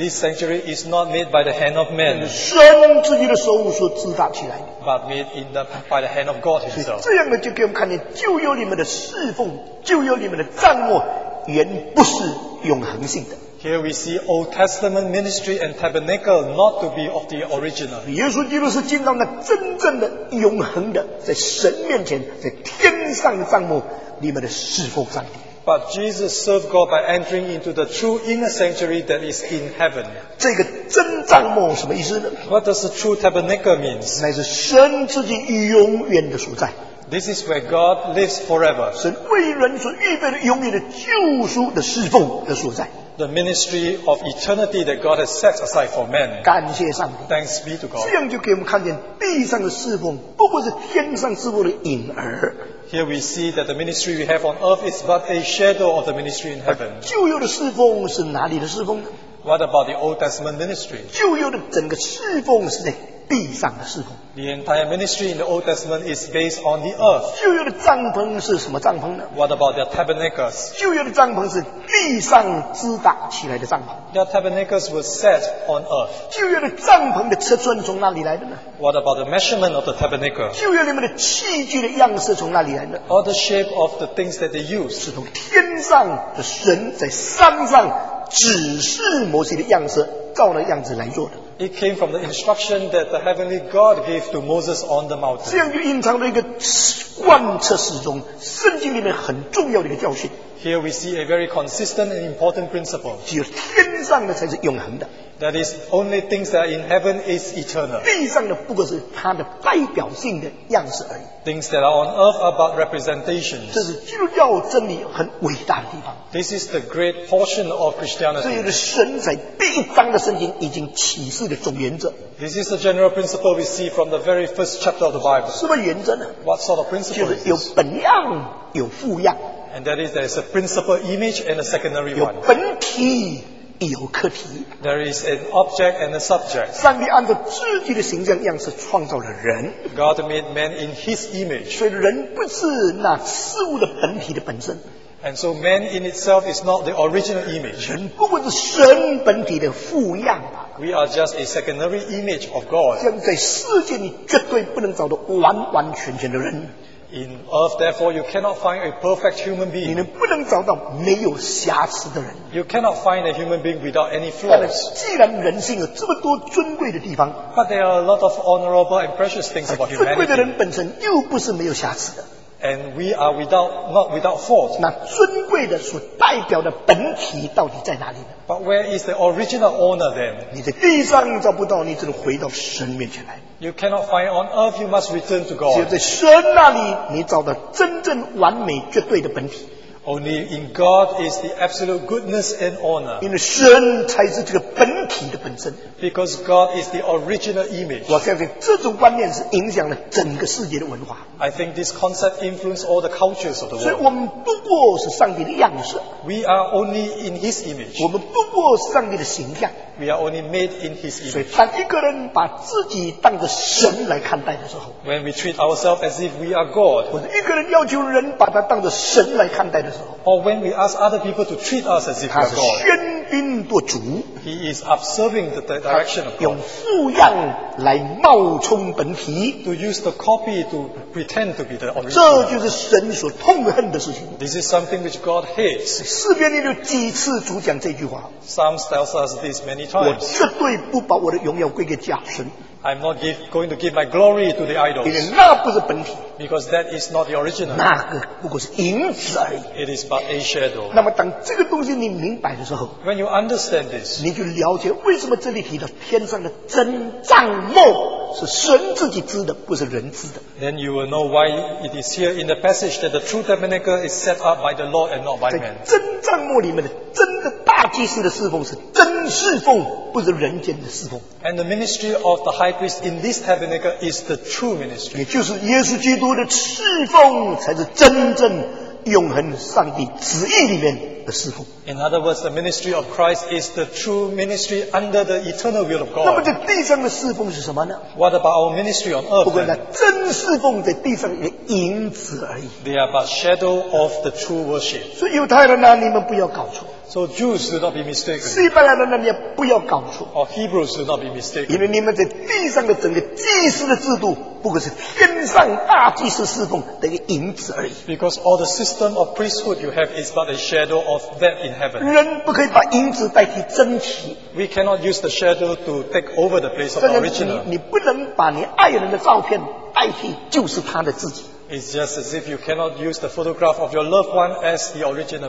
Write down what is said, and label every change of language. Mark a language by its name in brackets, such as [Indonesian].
[English] This sanctuary is not made by the hand of man. [Chinese] 神自己的手所支搭起来的。 [English] But made in the, by the hand of God himself. [Chinese] 这样的就给我们看见旧约里面的侍奉，旧约里面的帐幕原不是永恒性的。 [English] Here we see Old Testament ministry and tabernacle not to be of the original. [Chinese] 耶稣基督是进到那真正的永恒的，在神面前，在天上帐幕里面的侍奉上帝。 [English] But Jesus served God by entering into the true inner sanctuary that is in heaven. [Chinese] 这个真帐幕什么意思呢？ [English] What does the true tabernacle mean? [Chinese] 那是神自己永远的所在。 [English] This is where God lives forever. [Chinese] 神为人所预备的永远的救赎的侍奉的所在。 [English] The ministry of eternity that God has set aside for men. [Chinese] 感谢上帝。 [English] Thanks be to God. [Chinese] 这样就给我们看见地上的侍奉不过是天上侍奉的影儿。 [English] Here we see that the ministry we have on earth is but a shadow of the ministry in heaven. [Chinese] 旧约的侍奉是哪里的侍奉呢？ [English] What about the Old Testament ministry? [Chinese] 旧约的整个侍奉是在地上的侍奉。 [English] The entire ministry in the Old Testament is based on the earth. [Chinese] 旧约的帐篷是什么帐篷呢？ [English] What about their tabernacles? [Chinese] 旧约的帐篷是地上支打起来的帐篷。 [English] Their tabernacles were set on earth. [Chinese] 旧约的帐篷的尺寸从哪里来的呢？ [English] What about the measurement of the tabernacle? [Chinese] 旧约里面的器具的样式从哪里来的？ [English] Or the shape of the things that they used. [Chinese] 是从天上的神在山上指示摩西的样式，照那样子来做的。 [English] It came from the instruction that the heavenly God gave to Moses on the mountain. [Chinese] 这样就隐藏了一个贯彻始终圣经里面很重要的一个教训。 [English] Here we see a very consistent and important principle. [Chinese] 只有天上的才是永恒的。 [English] That is, only things that are in heaven is eternal. [Chinese] 地上的不过是它的代表性的样式而已。 [English] Things that are on earth are but representations. [Chinese] 这是基督教真理很伟大的地方。 [English] This is the great portion of Christianity. [Chinese] 这就是神在第一章的圣经已经启示的总原则。 [English] This is the general principle we see from the very first chapter of the Bible. [Chinese] 什么原则呢？ [English] What sort of principle is this? [Chinese] 就是有本样，有副样。 [English] And that is, there is a principal image and a secondary one. [Chinese] 有本体。有课题。 [English] There is an object and a subject. [Chinese] 上帝按照自己的形象样式创造了人。 [English] God made man in His image. [Chinese] 所以人不是那事物的本体的本身。 [English] And so man in itself is not the original image. [Chinese] 人不过是神本体的副样吧。 [English] We are just a secondary image of God. [Chinese] 这样在世界你绝对不能找到完完全全的人。 [English] In earth, therefore, you cannot find a perfect human being. [Chinese] 你不能找到没有瑕疵的人。 [English] You cannot find a human being without any flaws. [Chinese] 既然人性有这么多尊贵的地方， [English] but there are a lot of honorable and precious things about humanity. [Chinese] 尊贵的人本身又不是没有瑕疵的。 [English] And we are without, not without fault. [Chinese] 那尊贵的所代表的本体到底在哪里呢？ [English] But where is the original honor then? [Chinese] 你在地上找不到，你只能回到神面前来。 [English] You cannot find on earth, you must return to God. [Chinese] 只有在神那里，你找到真正完美绝对的本体。 [English] Only in God is the absolute goodness and honor. [Chinese] 因为神才是这个本体的本身。 [English] Because God is the original image. [Chinese] 我相信这种观念是影响了整个世界的文化。 [English] I think this concept influenced all the cultures of the world. [Chinese] 所以我们不过是上帝的样式。 [English] We are only in His image. [Chinese] 我们不过是上帝的形象。 [English] We are only made in His image. [Chinese] 所以当一个人把自己当作神来看待的时候， [English] When we treat ourselves as if we are God. [Chinese] 或者一个人要求人把他当作神来看待的时候， [English] Or when we ask other people to treat us as if we are God. [Chinese] 他是喧宾夺主。 [English] He is observing the direction of God. [Chinese] 用副样来冒充本体。 [English] To use the copy to pretend to be the original. [Chinese] 这就是神所痛恨的事情。 [English] This is something which God hates. [Chinese] 诗篇里有几次主讲这句话。 [English] Psalms tells us this many [Chinese] 我绝对不把我的荣耀归给假神。 [English] I'm not going to give my glory to the idols. [Chinese] 因为那不是本体。 [English] Because that is not the original. [Chinese] 那个不过是影子而已。 [English] It is but a shadow. [Chinese] 那么当这个东西你明白的时候， [English] When you understand this, [Chinese] 你就了解为什么这里提到天上的真帐幕是神自己织的，不是人织的。 [English] Then you will know why it is here in the passage that the true tabernacle is set up by the Lord and not by man. [Chinese] 在真帐幕里面的真的大祭司的侍奉是真侍奉，不是人间的侍奉。 [English] And the ministry of the high priest in this tabernacle is the true ministry. [Chinese] 也就是耶稣基督的侍奉才是真正永恒上帝旨意里面的侍奉。 [English] In other words, the ministry of Christ is the true ministry under the eternal will of God. [Chinese] 那么这地上的侍奉是什么呢？ [English] What about our ministry on earth? [Chinese] 不过那真侍奉在地上的影子而已。 [English] They are but shadow of the true worship. [Chinese] 所以犹太人啊，你们不要搞错。 [English] So Jews do not be mistaken. [Chinese] 希伯来人那边不要搞错。 [English] Or Hebrews do not be mistaken. [Chinese] 因为你们在地上的整个祭司的制度，不过是天上大祭司侍奉的一个影子而已。 [English] Because all the system of priesthood you have is but a shadow of that in heaven. [Chinese] 人不可以把影子代替真体。 [English] We cannot use the shadow to take over the place of the original. [Chinese] 你不能把你爱人的照片代替就是他的自己。 [English] It's just as if you cannot use the photograph of your loved one as the original.